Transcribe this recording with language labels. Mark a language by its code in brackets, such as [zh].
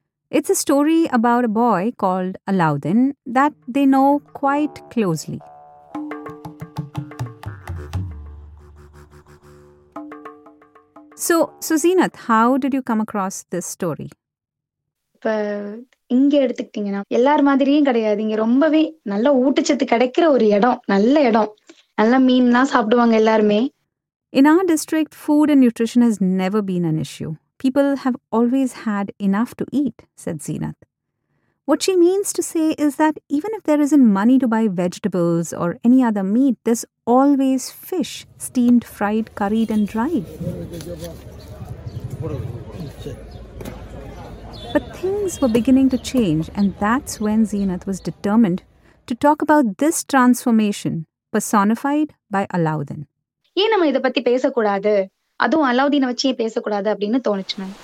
[en] It's a story about a boy called Alauddin that they know quite closely. So Zenith, how did you come across this story? [ta] இங்க எடுத்துக்கிட்டீங்கன்னா எல்லார் மாதிரியும் கிடையாது. இங்க ரொம்பவே நல்ல ஊட்டச்சத்து கிடைக்கிற ஒரு இடம், நல்ல இடம், நல்ல மீன் தான் சாப்பிடுவாங்க எல்லாருமே. [en] In our district, food and nutrition has never been an issue. People have always had enough to eat, said Zenith. What she means to say is that even if there isn't money to buy vegetables or any other meat, there's always fish, steamed, fried, curried and dried. But things were beginning to change, and that's when Zenith was determined to talk about this transformation personified by Alauddin. Why don't we talk about this? [ta] அதுவும் அலாவுதீன வச்சே பேசக்கூடாது அப்படின்னு தோணுச்சு.